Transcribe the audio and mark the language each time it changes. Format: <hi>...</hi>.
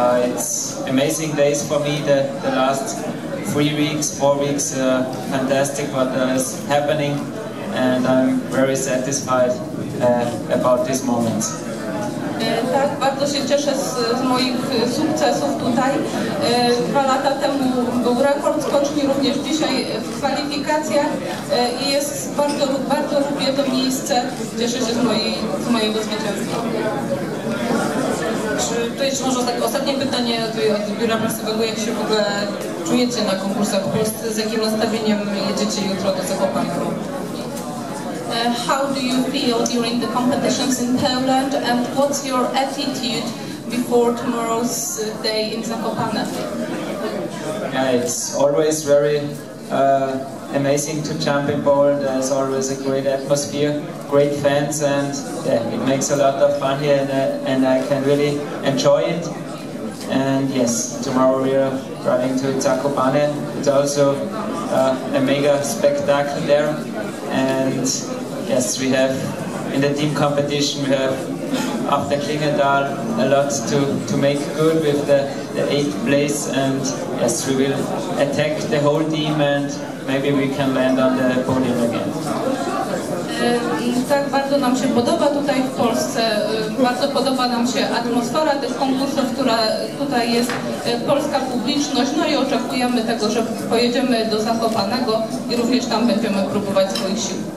<en>It's amazing days for me, the last 3 weeks, 4 weeks, fantastic what is happening, and I'm very satisfied about this moment.</en> <pl>Tak, bardzo się cieszę z moich sukcesów tutaj. 2 lata temu był rekord skoczni, również dzisiaj w kwalifikacjach. I jest bardzo, bardzo lubię to miejsce. Cieszę się z mojego zwycięstwa. To jest może tak ostatnie pytanie od biura prasowego. Jak się w ogóle czujecie na konkursach w Polsce? Z jakim nastawieniem jedziecie jutro do Zakopanego?</pl> <en>How do you feel during the competitions in Poland, and what's your attitude before tomorrow's day in Zakopane? Yeah, it's always very amazing to jump in Poland. There's always a great atmosphere, great fans, and yeah, it makes a lot of fun here, and I can really enjoy it. And yes, tomorrow we are driving to Zakopane. It's also a mega spectacle there, and yes, we have in the team competition, we have after Klingendal a lot to make good with the 8th place, and yes, we will attack the whole team, and maybe we can land on the podium again.</en> <pl>Tak, bardzo nam się podoba tutaj w Polsce, bardzo podoba nam się atmosfera tych konkursów, która tutaj jest, polska publiczność, no i oczekujemy tego, że pojedziemy do Zakopanego i również tam będziemy próbować swoich sił.</pl>